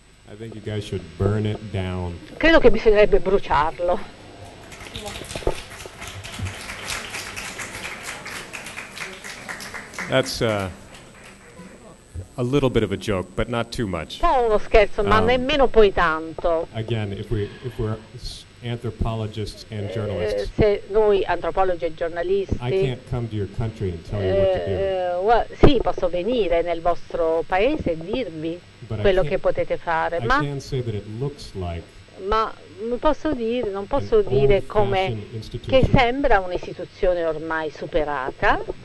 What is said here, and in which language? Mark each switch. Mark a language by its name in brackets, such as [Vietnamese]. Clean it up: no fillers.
[English] I think you guys should burn it down. [Italian] Credo che bisognerebbe bruciarlo. [English] That's a little bit of a joke, but not too much. [Italian] Un po' uno scherzo, ma nemmeno poi tanto. [English] Again, if we're anthropologists and journalists. [Italian] Se noi antropologi e giornalisti. [English] I can't come to your country and tell you what to do. [Italian] Well, sì, posso venire nel vostro paese e dirvi quello che potete fare, ma non posso dire come che sembra un'istituzione ormai superata,